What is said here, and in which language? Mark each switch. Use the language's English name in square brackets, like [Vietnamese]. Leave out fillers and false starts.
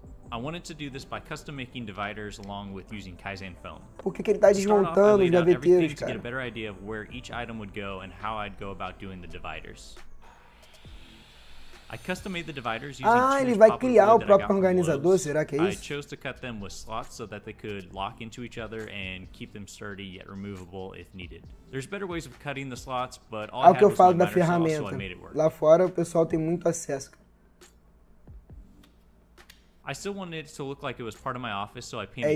[English] I wanted to do this by custom making dividers along with using Kaizen foam. [Portuguese] Por que ele tá desmontando os gaveteiros, cara? [English] To get a better idea of where each item would go and how I'd go about doing the dividers. I custom made the dividers using [Portuguese] ele vai criar o próprio organizador, será que é isso? [English] I chose to cut them with slots so that they could lock into each other and keep them sturdy yet removable if needed. There's better ways of cutting the slots, but all [Portuguese] que eu falo da ferramenta. Lá fora o pessoal tem muito acesso. [English] I still wanted it to look like it was part of my office, so I painted